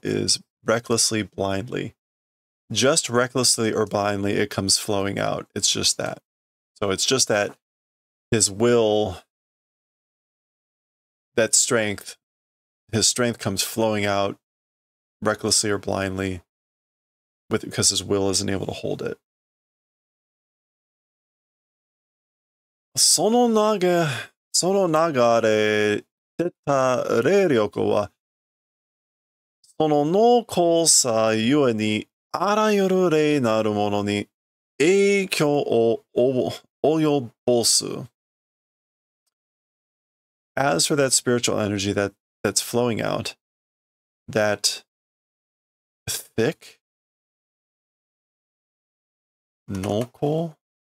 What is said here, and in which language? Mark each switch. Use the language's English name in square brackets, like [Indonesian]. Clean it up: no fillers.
[English] is recklessly, blindly. Just recklessly or blindly, it comes flowing out. It's just that. So it's just that his will. That strength, his strength comes flowing out recklessly or blindly because his will isn't able to hold it. [Japanese] その濃厚さゆえにあらゆる霊なるものに影響を及ぼす。 [English] As for that spiritual energy that's flowing out, that thick, noko,